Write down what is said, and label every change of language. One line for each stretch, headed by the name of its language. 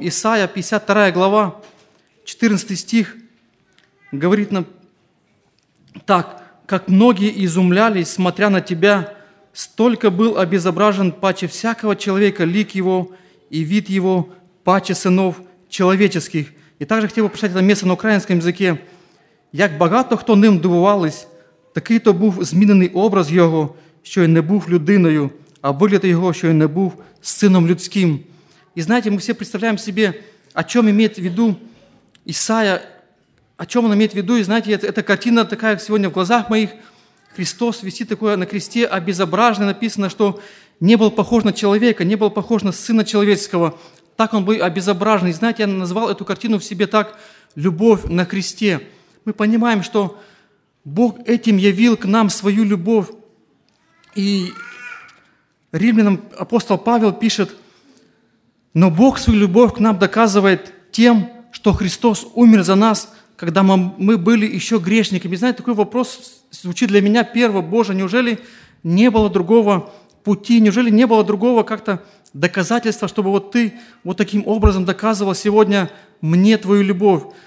Russian: Исаия, 52 глава, 14 стих, говорит нам так: «Как многие изумлялись, смотря на тебя, столько был обезображен паче всякого человека лик его и вид его паче сынов человеческих». И также хотел бы прочитать это место на украинском языке.
Ukrainian: «Як багато хто ним дивувались, такий то був змінений образ його, що й не був людиною, а вигляд його, що й не був сином людським». І знаєте, ми всі представляємо собі, о чому має в виду Ісая, о чому він має в виду. І знаєте, ця картина така, як сьогодні в глазах моїх, Христос висить такий на кресті, обезображений, написано, що не був похож на чоловіка, не був похож на сина чоловіцького. Так он був обезображений. І знаєте, я назвав цю картину в собі так: «Любов на кресті». Ми розуміємо, що Бог цим явив к нам свою любов. І Римлянам апостол Павел пише:
Russian: «Но Бог свою любовь к нам доказывает тем, что Христос умер за нас, когда мы были еще грешниками». Знаете, такой вопрос звучит для меня первым: Боже, неужели не было другого пути, неужели не было другого как-то доказательства, чтобы вот ты вот таким образом доказывал сегодня мне твою любовь?